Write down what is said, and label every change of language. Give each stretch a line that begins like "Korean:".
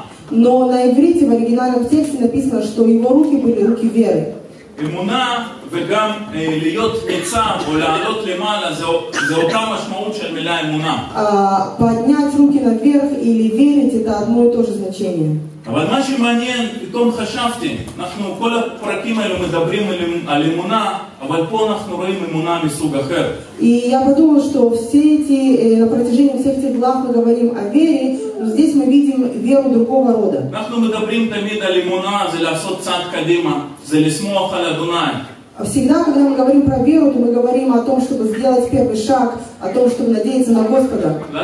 Russian: Но на иврите в оригинальном тексте написано, что его руки были руки веры.
Hebrew: Эмуна וגם להיות ניצב או לעלות למעלה זה אותה משמעות של מילה אמונה.
Russian: Поднять руки наверх или верить это одно и то же значение.
Hebrew: אבל מה שמעניין, פתאום חשבתי, אנחנו כל הפרקים האלו מדברים על אמונה, אבל פה אנחנו רואים אמונה מסוג אחר.
Russian: И я подумал, что все эти, на протяжении всех этих глав мы говорим о вере, но здесь мы видим веру другого рода.
Hebrew: אנחנו מדברים תמיד על אמונה, זה לעשות צעד קדימה, זה לסמוך על אדוני.
Russian: Всегда, когда мы говорим про веру, то мы говорим о том, чтобы сделать первый шаг, о том, чтобы надеяться на Господа.